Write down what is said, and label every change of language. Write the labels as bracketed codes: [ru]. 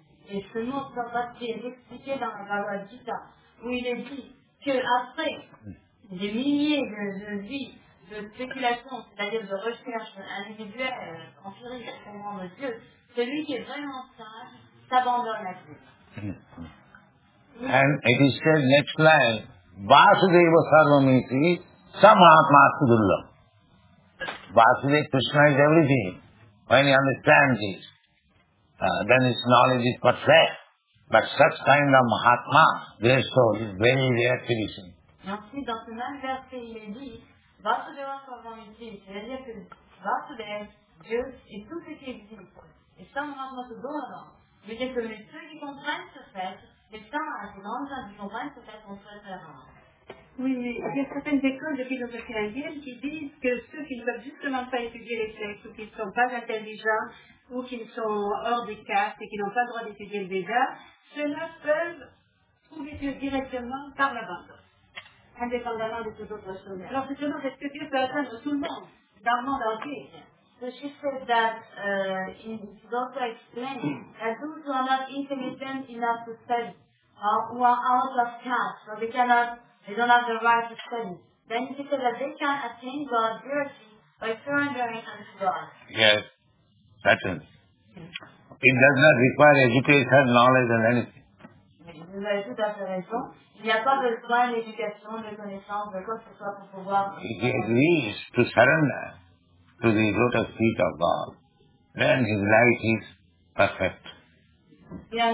[fr] Et ce nom de Prabhupada est expliqué dans la Bhagavad Gita, où il est dit qu'après des milliers de vies de spéculation, c'est-à-dire de recherche individuelle, empirique, au nom de Dieu, celui qui est vraiment sage s'abandonne à Dieu. [en] And it is said next line, [sa] Vasudeva Sarvamiti Samatma Sudullam. [en] Vasudeva Krishna is everything. When he understands this, then his knowledge is perfect. But such kind of Mahatma, their soul is very rare tradition. [fr] Et ensuite, dans ce même verset, il est dit, Vasudeva Sarvamiti, c'est-à-dire que Vasudeva, Dieu, est tout ce qui existe. Et Samatma Sudullam, veut dire que les ceux qui comprennent ce fait, oui, mais il y a certaines écoles de philosophie indienne qui disent que ceux qui ne veulent justement pas étudier les textes, ou qui ne sont pas intelligents, ou qui sont hors des castes et qui n'ont pas le droit d'étudier le Veda, ceux-là peuvent trouver Dieu directement par l'abandon, indépendamment de toutes autres choses. Alors, justement, est-ce que Dieu peut atteindre tout le monde dans le monde entier? [en] So she said that she's also explaining that those who are not intelligent enough to study, who are out of caste, so they don't have the right to study, then she said that they can attain God's purity by surrendering unto God. Yes, that is. It does not require education, knowledge, and anything. [fr] Vous avez tout à fait raison. Il n'y a pas besoin d'éducation, de connaissance, de quoi que ce soit pour pouvoir. [en] He agrees to surrender to the lotus feet of God, then his life is perfect.